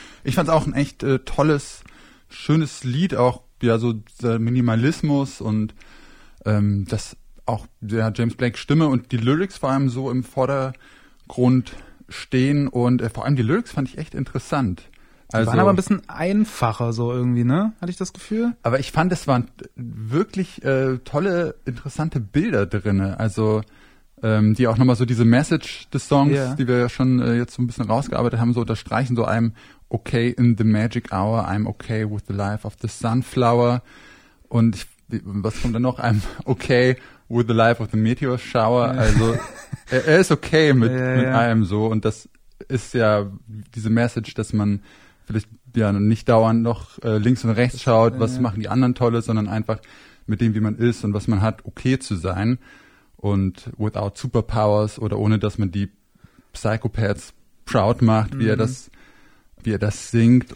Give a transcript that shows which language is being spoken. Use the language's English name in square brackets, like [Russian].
[German] Ich fand es auch ein echt tolles, schönes Lied, auch ja so der Minimalismus und dass auch der James Blake Stimme und die Lyrics vor allem so im Vordergrund stehen und vor allem die Lyrics fand ich echt interessant. Also, waren aber ein bisschen einfacher so irgendwie, ne? Hatte ich das Gefühl? Aber ich fand, es waren wirklich tolle, interessante Bilder drinne. Also die auch nochmal so diese Message des Songs, die wir ja schon jetzt so ein bisschen rausgearbeitet haben, so unterstreichen. [English] So I'm okay in the magic hour, I'm okay with the life of the sunflower. [German] Und ich, was kommt dann noch? [English] I'm okay with the life of the meteor shower. [German] Ja. Also er ist okay mit allem so. Und das ist ja diese Message, dass man vielleicht ja nicht dauernd noch links und rechts schaut, was machen die anderen Tolle, sondern einfach mit dem, wie man ist und was man hat, okay zu sein. Und [English] without superpowers [German] oder ohne, dass man die Psychopaths proud macht, wie er das singt.